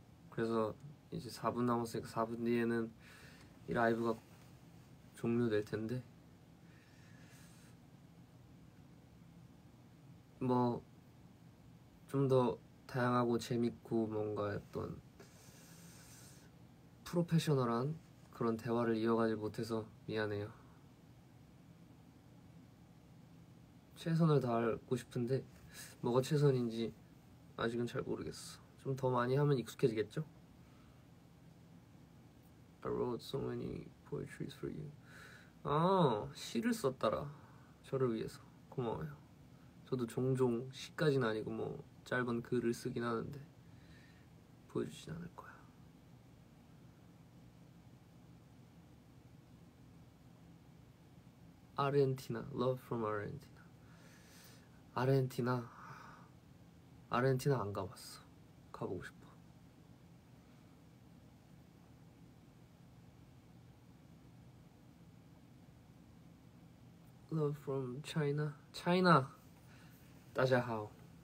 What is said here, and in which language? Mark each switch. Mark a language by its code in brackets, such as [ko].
[ko] 그래서 이제 4분 남았으니까 4분 뒤에는 이 라이브가 종료될 텐데 뭐좀더 다양하고 재밌고 뭔가 어떤 프로페셔널한 그런 대화를 이어가지 못해서 미안해요. 최선을 다하고 싶은데 뭐가 최선인지 아직은 잘 모르겠어. 좀더 많이 하면 익숙해지겠죠? [en] I wrote so many poetries for you. [ko] 아, 시를 썼더라. 저를 위해서. 고마워요. 저도 종종 시까지는 아니고 뭐 짧은 글을 쓰긴 하는데 보여주진 않을 거야. [en] 아르헨티나, Love from Argentina. [ko] 아르헨티나, 아르헨티나 안 가봤어. 가보고 싶어. [en] 러브 프롬 차이나. 차이나 [zh] 따자하오.